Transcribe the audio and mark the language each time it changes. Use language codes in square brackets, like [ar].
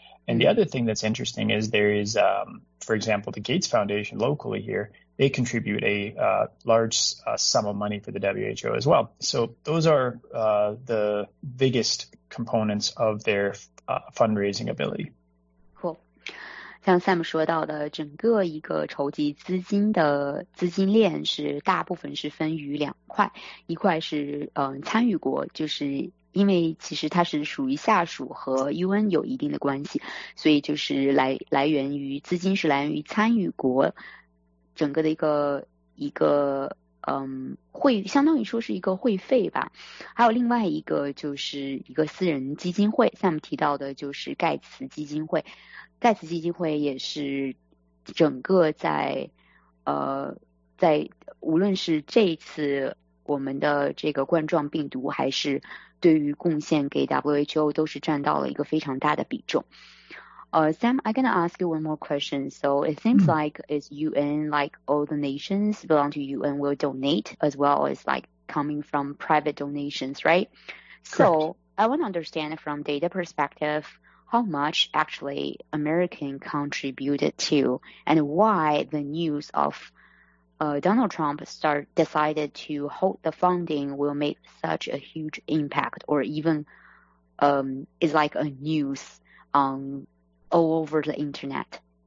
[en] And the other thing that's interesting is there is, for example, the Gates Foundation locally here, they contribute a large sum of money for the WHO as well. So those are the biggest components of their fundraising ability. Cool. [zh] 像 Sam 说到的，整个一个筹集资金的资金链是大部分是分于两块，一块是参与国，就是因为其实它是属于下属和 UN 有一定的关系，所以就是来源于资金是来源于参与国整个的一个会相当于说是一个会费吧。还有另外一个就是一个私人基金会，下面提到的就是盖茨基金会。盖茨基金会也是整个在在无论是这一次我们的这个冠状病毒，还是对于贡献给 WHO 都是占到了一个非常大的比重。 [en] Sam, I'm going to ask you one more question. So it seems like it's UN, like all the nations belong to UN will donate as well as like coming from private donations, right? So Correct. I want to understand from data perspective, how much actually American contributed to and why the news of Donald Trump decided to halt the funding will make such a huge impact or even is like a news on all over the internet.